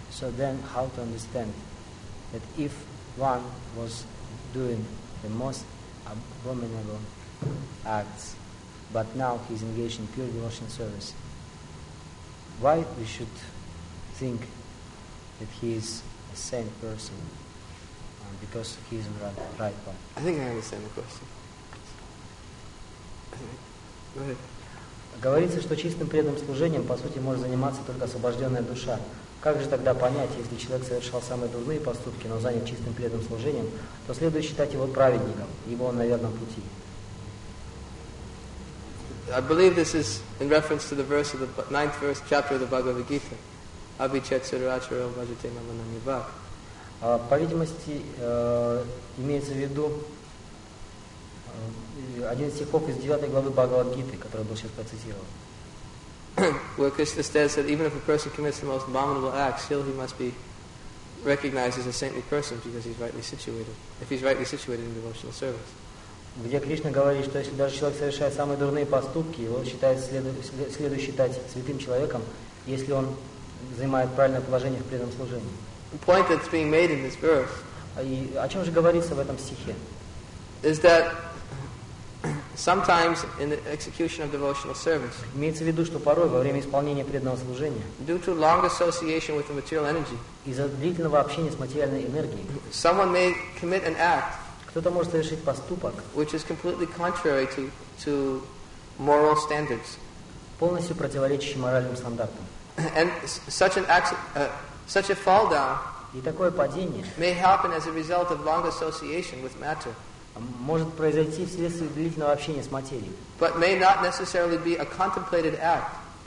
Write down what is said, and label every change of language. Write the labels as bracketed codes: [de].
[en] So then how to understand that if one was doing the most abominable acts, but now he's engaged in pure devotional service, why we should think that he is a saint person because he is on the right path? I think I understand the question. Go ahead. [ru] Говорится, что чистым преданным служением по сути может заниматься только освобожденная душа. Как же тогда понять, если человек совершал самые дурные поступки, но занят чистым преданным служением, то следует считать его праведником, ибо он на верном пути. [en] I believe this is in reference to the verse of the ninth verse chapter of the Bhagavad Gita. [sa] Abhichet sadaracharyam bhajate mama nami bhak. [ru] По видимости, имеется в виду один из стихов из 9 главы Бхагавад Гиты, который был сейчас процитирован. [en] Where Krishna says that even if a person commits the most abominable acts, still he must be recognized as a saintly person because he's rightly situated. If he's rightly situated in devotional service. [ru] Где Кришна говорит, что если даже человек совершает самые дурные поступки, его считает, следует считать святым человеком, если он занимает правильное положение в преданном служении. [en] The point that's being made in this verse, [ru] и о чем же говорится в этом стихе? [en] Is that sometimes in the execution of devotional service, [ru] имеется в виду, что порой во время исполнения преданного служения, [en] due to long association with the material energy, [ru] из-за длительного общения с материальной энергией, [en] someone may commit an act, [ru] кто-то может совершить поступок, [en] which is completely contrary to moral standards, [ru] полностью противоречащий моральным стандартам. [en] And such an act, such a fall down, [ru] и такое падение, [en] may happen as a result of long association with matter, [ru] может произойти вследствие длительного общения с материей, [en] but may not necessarily be a contemplated act,